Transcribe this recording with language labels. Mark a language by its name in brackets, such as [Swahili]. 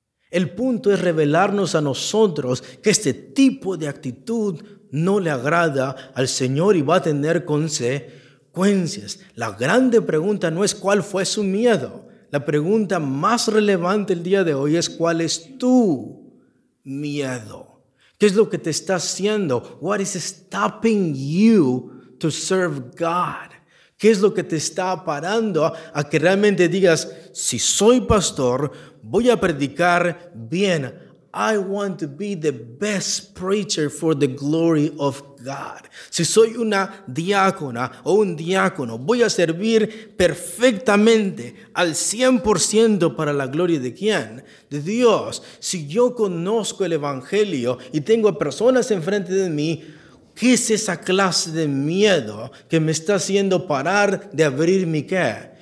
[Spanish] El punto es revelarnos a nosotros que este tipo de actitud no le agrada al Señor y va a tener consecuencias. La grande pregunta no es cuál fue su miedo. La pregunta más relevante el día de hoy es cuál es tu miedo. ¿Qué es lo que te está haciendo? [English] What is stopping you to serve God? [Spanish] ¿Qué es lo que te está parando a que realmente digas, si soy pastor, voy a predicar bien? [English] I want to be the best preacher for the glory of God. [Spanish] Si soy una diácona o un diácono, voy a servir perfectamente al 100% para la gloria de ¿quién? De Dios. Si yo conozco el Evangelio y tengo personas enfrente de mí, ¿qué es esa clase de miedo que me está haciendo parar de abrir mi ¿qué?